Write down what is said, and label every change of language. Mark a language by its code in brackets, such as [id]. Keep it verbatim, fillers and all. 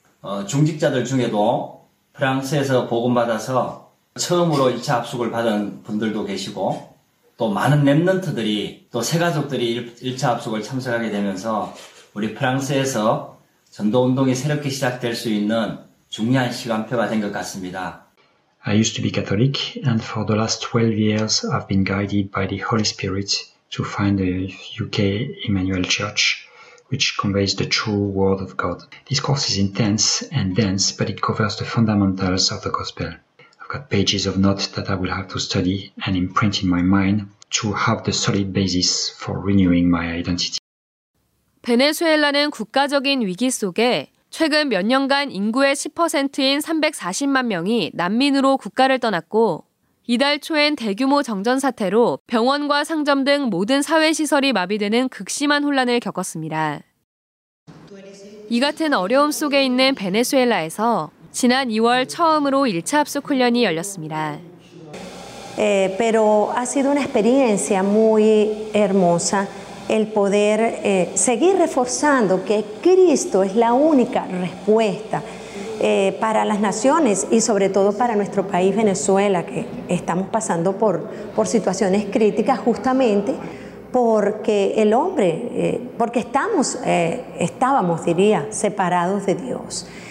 [ko] 어, 중직자들 중에도 프랑스에서 복음받아서 처음으로 이 차 합숙을 받은 분들도 계시고 또 많은 렘넌트들이 또 새가족들이 일 차 합숙을 참석하게 되면서 우리 프랑스에서 전도운동이 새롭게 시작될 수 있는 중요한 시간표가 된 것 같습니다. [en] I used to be Catholic and for the last twelve years I've been guided by the Holy Spirit to find the U K Emmanuel Church, which conveys the true word of God. This course is intense and dense, but it covers the fundamentals of the gospel. I've got pages of notes that I will have to study and imprint in my mind to have the solid basis for renewing my identity. [ko] 베네수엘라는 국가적인 위기 속에 최근 몇 년간 인구의 십 퍼센트인 삼백사십만 명이 난민으로 국가를 떠났고 이달 초엔 대규모 정전 사태로 병원과 상점 등 모든 사회시설이 마비되는 극심한 혼란을 겪었습니다. 이 같은 어려움 속에 있는 베네수엘라에서 지난 이월 처음으로 일 차 합숙 훈련이 열렸습니다. [es] Eh, pero ha sido una experiencia muy hermosa. El poder eh, seguir reforzando que Cristo es la única respuesta eh, para las naciones y sobre todo para nuestro país Venezuela, que estamos pasando por, por situaciones críticas justamente porque el hombre, eh, porque estamos, eh, estábamos, diría, separados de Dios.